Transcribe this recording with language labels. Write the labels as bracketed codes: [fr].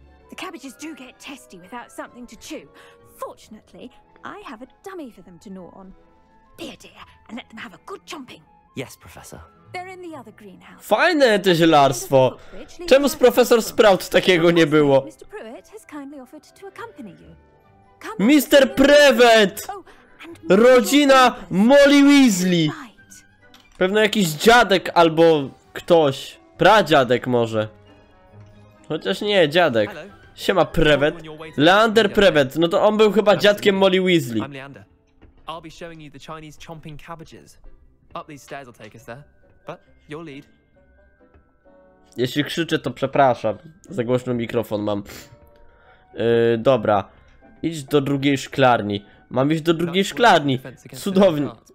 [en] The cabbages do get testy without something to chew. Fortunately, I have a dummy for them to gnaw on. Be a dear and let them have a good chomping. Yes, professor. They're in the other greenhouse. [pl] Fajne to zielarstwo. Czemu z profesor Sprout takiego nie było? [en] Mr. Pruitt has kindly offered to accompany you. [pl] Mr. Prevet! Rodzina Molly Weasley! Pewno jakiś dziadek albo ktoś. Pradziadek może. Chociaż nie, dziadek. Siema, Prevet. [en] Leander Prevet. [pl] No to on był chyba dziadkiem Molly Weasley. [en] I'm Leander. I'll be showing you the Chinese chomping cabbages. Up these stairs will take us there. But your lead. [pl] Jeśli krzyczę, to przepraszam. Za głośny mikrofon mam. Dobra. Idź do drugiej szklarni. Mam iść do drugiej szklarni. Cudownie.